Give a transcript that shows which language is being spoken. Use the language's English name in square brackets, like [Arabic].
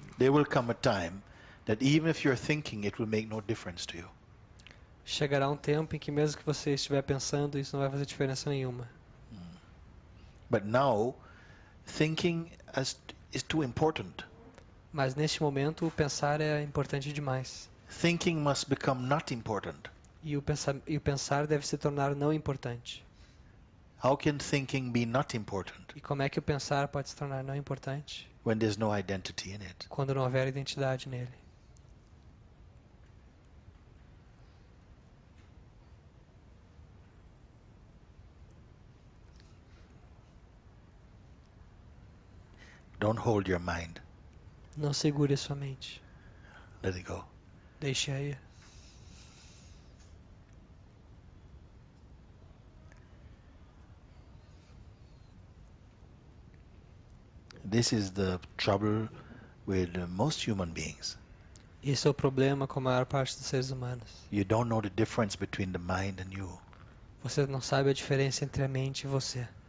[English] There will come a time that even if you're thinking, it will make no difference to you. [Portuguese] Chegará um tempo em que mesmo que você estiver pensando, isso não vai fazer diferença nenhuma. [English] But now, thinking as... It's too important. [Portuguese] Mas neste momento o pensar é importante demais. [English] Thinking must become not important. [Portuguese] E o pensar deve se tornar não importante. [English] How can thinking be not important? [Portuguese] E como é que o pensar pode se tornar não importante? [English] When there's no identity in it. [Portuguese] Quando não houver identidade nele. [English] Don't hold your mind. [Portuguese] Não segure a sua mente. [English] Let it go. [Portuguese] Deixe aí. [English] This is the trouble with most human beings. [Portuguese] Esse é o problema com a maior parte dos seres humanos. [English] You don't know the difference between the mind and you. [Portuguese] Você não sabe a diferença entre a mente e você.